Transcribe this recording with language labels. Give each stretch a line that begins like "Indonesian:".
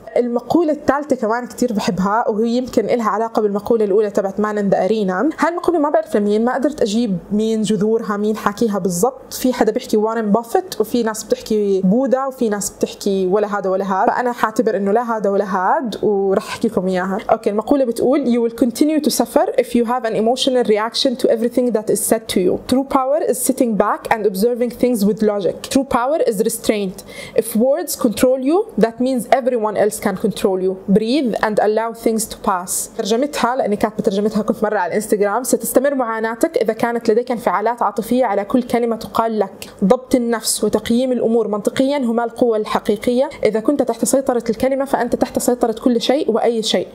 Arabic: المقولة الثالثة كمان كتير بحبها وهي يمكن إلها علاقة بالمقولة الأولى تبعت
English: Man in the arena.
Arabic: هالمقولة ما بعرف لمين، ما قدرت أجيب مين جذورها مين حكيها بالضبط. في حدا بيحكي وارن بافيت، وفي ناس بتحكي بودا، وفي ناس بتحكي ولا هذا ولا هذا، فأنا حاعتبر إنه لا هذا ولا هذا ورح أحكي لكم إياها. أوكي، المقولة بتقول
English: you will continue to suffer if you have an emotional reaction to everything that is said to you. True power is sitting back and observing things with logic. True power is restraint. If words control you, that means everyone else can control you. Breathe and allow things to pass.
Arabic: ترجمتها، لأني كانت بترجمتها كنت مرة على الإنستغرام، ستستمر معاناتك إذا كانت لديك انفعالات عاطفية على كل كلمة تقال لك. ضبط النفس وتقييم الأمور منطقيا هما القوة الحقيقية. إذا كنت تحت سيطرة الكلمة فأنت تحت سيطرة كل شيء وأي شيء.